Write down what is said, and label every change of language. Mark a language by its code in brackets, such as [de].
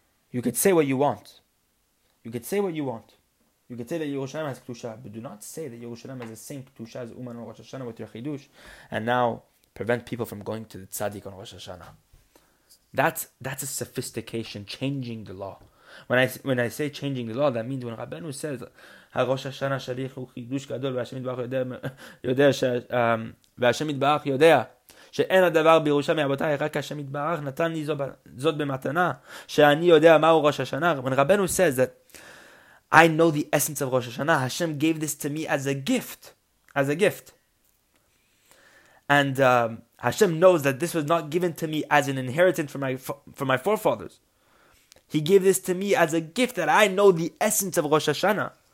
[en] You could say what you want. You could say what you want. You could say that Yerushalayim has ktusha, but do not say that Yerushalayim has the same ktusha as Uman or Rosh Hashanah with your chidush, and now prevent people from going to the tzaddik on Rosh Hashanah. That's a sophistication, changing the law. When I say changing the law, that means when Rabbeinu says [he] HaRosh HaShanah Shalich Hu Chidush Gadol VaHashem Yitbarach Yodea שאין הדבר בירושה מאבותיי, רק השם יתברך נתן לי זאת במתנה, שאני יודע מהו ראש השנה. [en] When Rabbeinu says that I know the essence of Rosh Hashanah, Hashem gave this to me as a gift, as a gift. And Hashem knows that this was not given to me as an inheritance for my forefathers. He gave this to me as a gift that I know the essence of Rosh Hashanah.